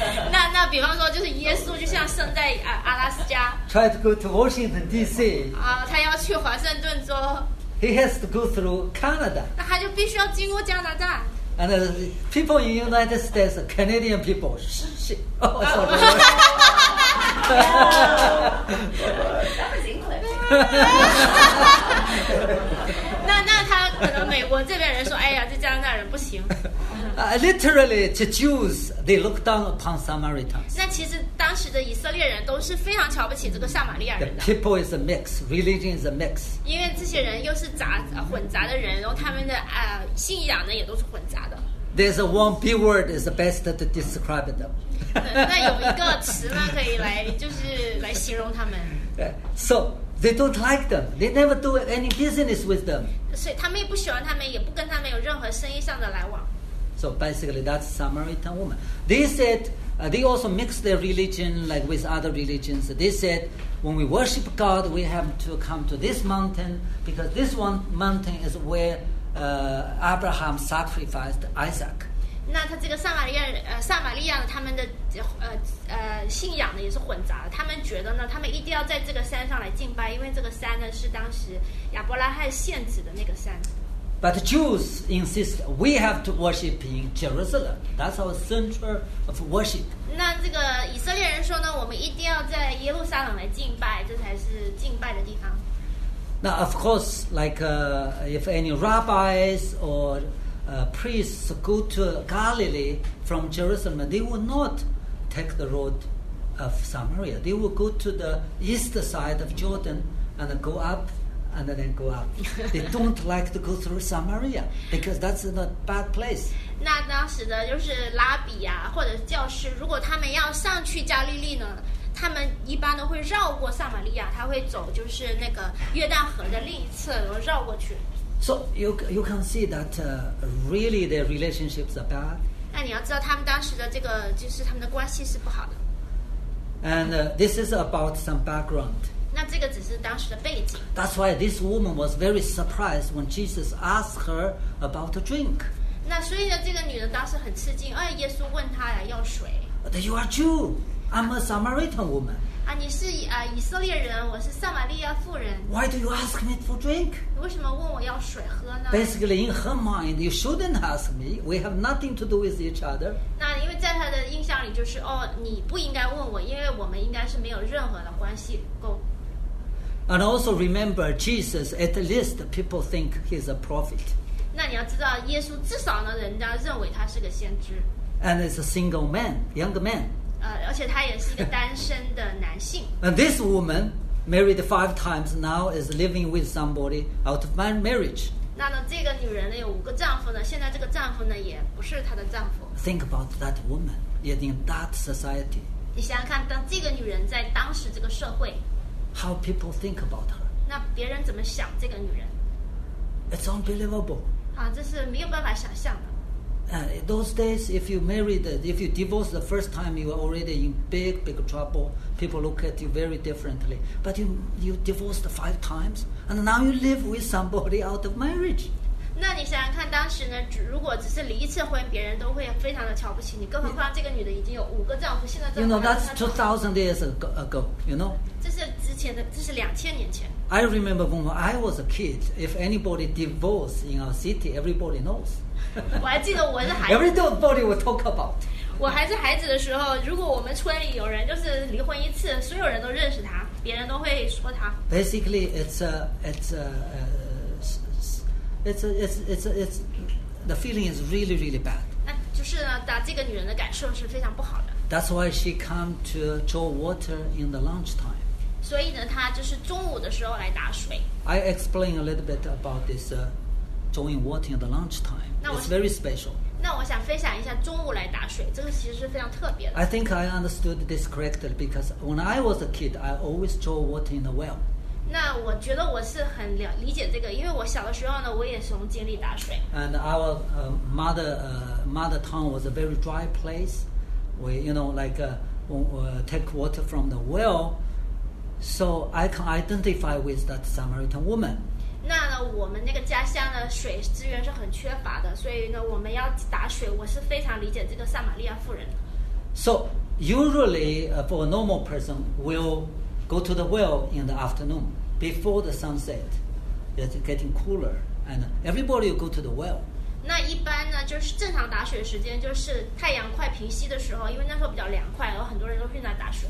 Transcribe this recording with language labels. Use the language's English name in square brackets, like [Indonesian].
[Chinese] 那比方说，就是耶稣就像生在阿拉斯加。 [English] Try to go to Washington D.C. [Chinese] 他要去华盛顿州。 [English] He has to go through Canada. [Chinese] 那他就必须要经过加拿大。 [English] And people in United States, Canadian people, oh, sorry. English. [Chinese] 那他可能美国这边人说，哎呀，这加拿大人不行。 [English] Literally, the Jews they look down upon Samaritans. [Chinese] 那其实当时的以色列人都是非常瞧不起这个撒玛利亚人的。 [English] The people is a mix, religion is a mix. [Chinese] 因为这些人又是混杂的人，然后他们的信仰呢也都是混杂的。 [English] There's a one big word is the best to describe them. [Chinese] 那有一个词呢，可以来形容他们。 [English] So they don't like them. They never do any business with them. [Chinese] 所以他们也不喜欢他们，也不跟他们有任何生意上的来往。 [English] So basically, that's Samaritan woman. They said, they also mixed their religion like with other religions. They said, when we worship God, we have to come to this mountain because this one mountain is where Abraham sacrificed Isaac. [Chinese] 那他这个撒玛利亚他们的信仰呢也是混杂的。他们觉得呢，他们一定要在这个山上来敬拜，因为这个山呢是当时亚伯拉罕献祭的那个山。 [English] But the Jews insist we have to worship in Jerusalem. That's our center of worship. [Chinese] 那这个以色列人说呢，我们一定要在耶路撒冷来敬拜，这才是敬拜的地方。 [English] Now, of course, if any rabbis or priests go to Galilee from Jerusalem, they will not take the road of Samaria. They will go to the east side of Jordan and go up. And then go up. They don't like to go through Samaria because that's a bad place. [Chinese] 那当时的就是拉比啊，或者教师，如果他们要上去加利利呢，他们一般都会绕过撒玛利亚，他会走就是那个约旦河的另一侧，然后绕过去。 [English] So you can see that really their relationships are bad. [Chinese] 那你要知道，他们当时的这个就是他们的关系是不好的。 [English] And this is about some background. [Chinese] 那这个只是当时的背景。 [English] That's why this woman was very surprised when Jesus asked her about a drink. [Chinese] 那所以呢，这个女的当时很吃惊，哎，耶稣问她要水。 [English] But you are Jew, I'm a Samaritan woman. [Chinese] 啊，你是以色列人，我是撒玛利亚妇人。 [English] Why do you ask me for drink? [Chinese] 为什么问我要水喝呢 [English] ？Basically, in her mind, you shouldn't ask me. We have nothing to do with each other. [Chinese] 那因为在她的印象里就是哦，你不应该问我，因为我们应该是没有任何的关系够。 [English] And also remember, Jesus, at least people think he's a prophet. [Chinese] 那你要知道，耶稣至少呢，人家认为他是个先知。 [English] And it's a single man, young man. [Chinese] 而且他也是一个单身的男性。 [English] And this woman, married 5 times, now is living with somebody out of marriage. [Chinese] 那呢，这个女人呢有五个丈夫呢，现在这个丈夫呢也不是她的丈夫。 [English] Think about that woman, yet in that society. [Chinese] 你想想看，当这个女人在当时这个社会。 [English] How people think about her? [Chinese] 那别人怎么想这个女人 [English] ？It's unbelievable. [Chinese] 啊，这是没有办法想象的。 [English] And those days, if you married, if you divorced the first time, you were already in big trouble. People look at you very differently. But you divorced 5 times, and now you live with somebody out of marriage. [Chinese] 那你想想看，当时呢，如果只是离一次婚，别人都会非常的瞧不起你。更何况这个女的已经有五个丈夫，现在 [English] You know, that's 2,000 years ago. You know. [Chinese] 这是2000年前。 [English] I remember when I was a kid, if anybody divorced in our city, everybody knows. [Chinese] 我还记得我是孩子。 [English] Everybody will talk about. [Chinese] 我还是孩子的时候，如果我们村里有人就是离婚一次，所有人都认识他，别人都会说他。 [English] Basically, it's the feeling is really really bad. [Chinese] 那就是呢，打这个女人的感受是非常不好的。 [English] That's why she come to draw water in the lunchtime. [Chinese] 所以呢，他就是中午的时候来打水。 [English] I explain a little bit about this drawing water at lunchtime. It's very special. [Chinese] 那我想分享一下中午来打水，这个其实是非常特别的。 [English] I think I understood this correctly because when I was a kid, I always draw water in the well. [Chinese] 那我觉得我是很理解这个，因为我小的时候呢，我也从井里打水。 [English] And our mother tongue was a very dry place. We, you know, take water from the well. So I can identify with that Samaritan woman. [Chinese] 那呢，我们那个家乡的水资源是很缺乏的，所以呢，我们要打水，我是非常理解这个撒玛利亚妇人。 [English] So usually, for a normal person, we'll go to the well in the afternoon before the sunset. It's getting cooler, and everybody will go to the well. [Chinese] 那一般呢就是正常打水时间就是太阳快平息的时候，因为那时候比较凉快，然后很多人都去那打水。